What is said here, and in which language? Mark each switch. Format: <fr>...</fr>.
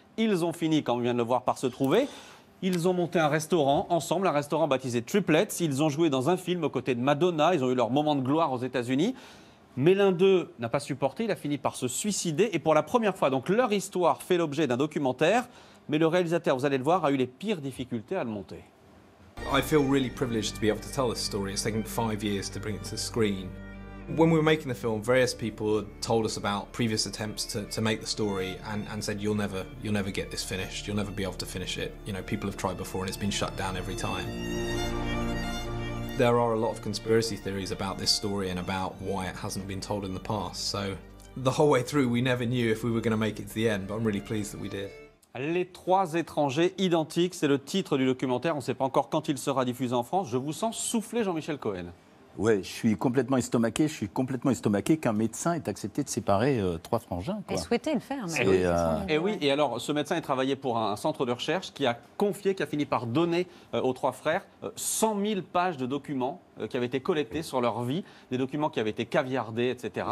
<fr>Ils ont fini, comme on vient de le voir, par se trouver. Ils ont monté un restaurant ensemble, un restaurant baptisé Triplets. Ils ont joué dans un film aux côtés de Madonna. Ils ont eu leur moment de gloire aux États-Unis. Mais l'un d'eux n'a pas supporté, il a fini par se suicider. Et pour la première fois, donc, leur histoire fait l'objet d'un documentaire. Mais le réalisateur, vous allez le voir, a eu les pires difficultés à le monter.</fr> <en>I feel really privileged to be able to tell this story. It's taken 5 years to bring it to the screen. When we were making the film, various people told us about previous attempts to make the story and said you'll never get this finished. You'll never be able to finish it. You know, people have tried before and it's been shut down every time. There are a lot of conspiracy theories about this story and about why it hasn't been told in the past. So the whole way through, we never knew if we were going to make it to the end, but I'm really pleased that we did.</en> <fr>Les trois étrangers identiques, c'est le titre du documentaire. On ne sait pas encore quand il sera diffusé en France. Je vous sens souffler, Jean-Michel Cohen. Oui, je suis complètement estomaqué. Je suis complètement estomaqué qu'un médecin ait accepté de séparer trois frangins. Il souhaitait le faire. Mais oui, et alors, ce médecin a travaillé pour un centre de recherche qui a confié, qui a fini par donner aux trois frères 100 000 pages de documents qui avaient été collectés sur leur vie, des documents qui avaient été caviardés, etc.</fr>